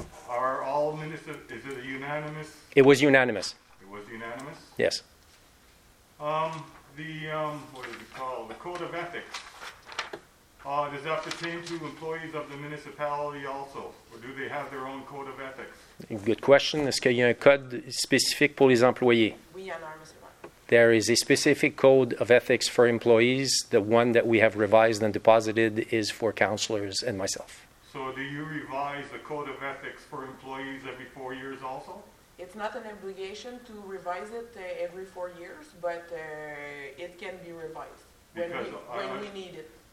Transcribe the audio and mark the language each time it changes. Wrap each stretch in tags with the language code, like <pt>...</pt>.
<en>Are all ministers, is it unanimous? It was unanimous? Yes. The Code of Ethics, does that pertain to employees of the municipality also, or do they have their own Code of Ethics? Good question.</en> <fr>Est-ce qu'il y a un code spécifique pour les employés? Oui, il y en a un, monsieur.</fr> <en>There is a specific code of ethics for employees. The one that we have revised and deposited is for councillors and myself. So do you revise the code of ethics for employees every 4 years also? It's not an obligation to revise it every 4 years, but it can be revised when we need it.</en>